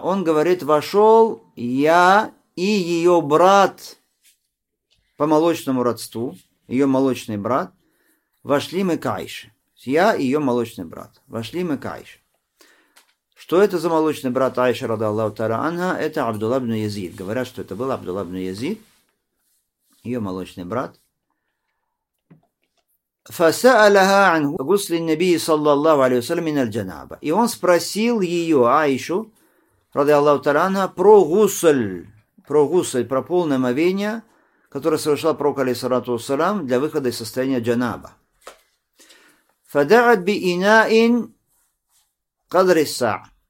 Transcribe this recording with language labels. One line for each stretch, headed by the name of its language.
Russian: Он говорит, вошел я и ее брат по молочному родству, ее молочный брат, вошли мы к Аише. Я и ее молочный брат, вошли мы к Аише. Что это за молочный брат Аиша рада Аллаху тара анха? Это Абдулла ибн Язид. Говорят, что это был Абдулла ибн Язид, ее молочный брат.
Arabic: فسألها عن غسل النبي صلى الله عليه وسلم من الجنابة.
Russian: И он спросил ее, Аишу,
Arabic: رضي الله تعالى عنها,
Russian: про гусль, про полное омовение, которое совершал пророк, алейхиссалату вассалам, для выхода из состояния джанаба.
Arabic: فدعت بإناء قدر الساعة.